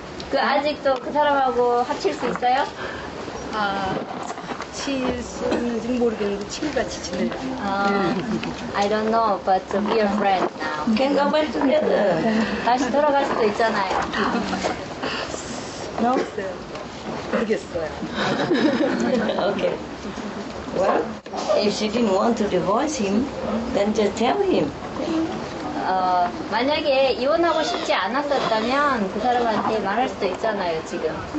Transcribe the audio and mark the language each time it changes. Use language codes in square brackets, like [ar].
[ko] 그 아직도 그 사람하고 합칠 수 있어요? 합칠 수 있는지 모르겠는데 친구같이 지내요. [en] I don't know, but we are friends now. Can go back together. [ko] 다시 돌아갈 수도 있잖아요. [en] No? [ko] 모르겠어요. [en] Okay. Well, if she didn't want to divorce him, then just tell him. [ko] 만약에 이혼하고 싶지 않았었다면 그 사람한테 말할 수도 있잖아요, 지금.